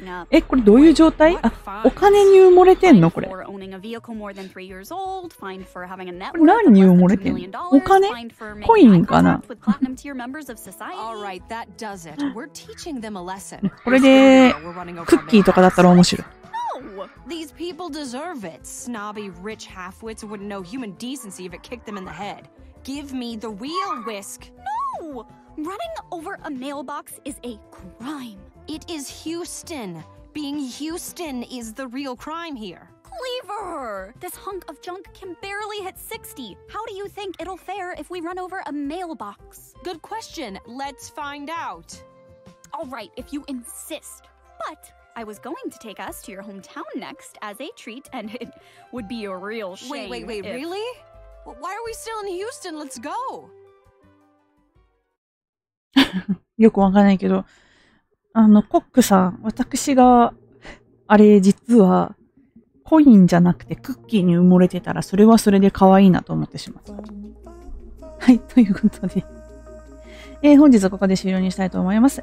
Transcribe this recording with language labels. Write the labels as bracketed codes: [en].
[ja] え、これどういう状態？あ、お金に埋もれてんのこれ。これ何に埋もれてんの？お金？コインかな？これでクッキーとかだったら面白い。 [en] These people deserve it. Snobby rich halfwits wouldn't know human decency if it kicked them in the head. Give me the real whisk. No! Running over a mailbox is a crime. It is Houston. Being Houston is the real crime here. Cleaver! This hunk of junk can barely hit 60. How do you think it'll fare if we run over a mailbox? Good question. Let's find out. All right, if you insist. But... I was going to take us to your hometown next as a treat, and it would be a real shame. Wait, really? Why are we still in Houston? Let's go! [ja] よくわかんないけど、コックさん、私があれ実はコインじゃなくてクッキーに埋もれてたら、それはそれで可愛いなと思ってしまった。はい、ということで本日はここで終了にしたいと思います。